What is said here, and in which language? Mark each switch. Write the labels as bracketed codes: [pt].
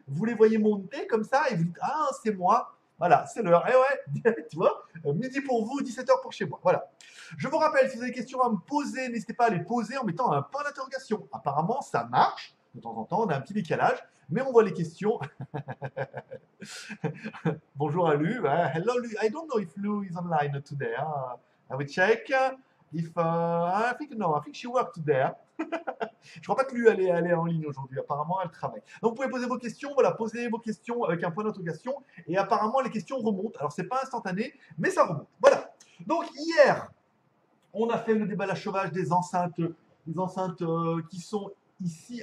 [fr] Vous les voyez monter comme ça, et vous dites, ah, c'est moi. Voilà, c'est l'heure. Eh ouais, tu vois, midi pour vous, 17h pour chez moi. Voilà. Je vous rappelle, si vous avez des questions à me poser, n'hésitez pas à les poser en mettant un point d'interrogation. Apparemment, ça marche. De temps en temps, on a un petit décalage, mais on voit les questions. Bonjour à Lou. [en] Hello, Lou. I don't know if Lou is online today. I will check. I think she worked today. [fr] Je ne crois pas que Lou allait en ligne aujourd'hui. Apparemment, elle travaille. Donc, vous pouvez poser vos questions. Voilà, posez vos questions avec un point d'interrogation. Et apparemment, les questions remontent. Alors, ce n'est pas instantané, mais ça remonte. Voilà. Donc, hier, on a fait le déballage sauvage des enceintes qui sont ici.